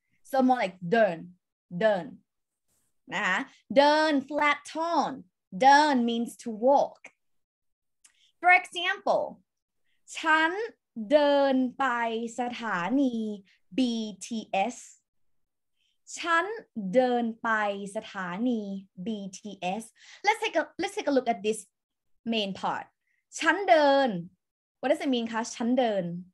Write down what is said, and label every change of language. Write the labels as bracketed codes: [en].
[en] So more like เดิน nah, เดิน flat tone. เดิน means to walk. For example, [th] ฉันเดินไปสถานี BTS. ฉันเดินไปสถานี BTS. [en] Let's take a look at this main part. [th] ฉันเดิน [en] What does it mean, [th] คะ ฉันเดิน